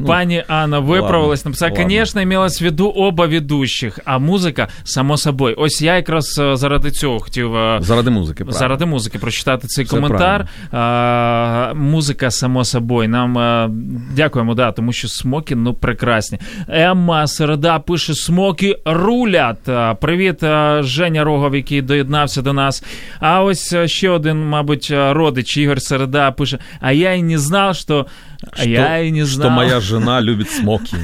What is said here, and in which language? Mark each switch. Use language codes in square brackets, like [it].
[uk] Пані Анна виправилась, написала, звісно, мілась в виду оба ведучих, а музика само собою. Ось я якраз заради цього хотів... Заради музики, правильно. Заради музики прочитати цей коментар. Музика само собою. Нам дякуємо, да, тому що смоки, ну, прекрасні. Емма Середа пише, [ru] смоки рулят. [uk] Привіт, Женя Рогов, який доєднався до нас. А ось ще один, мабуть, родич, Ігор Середа пише, а я і не знав, [ru] Что моя жена любит смоки.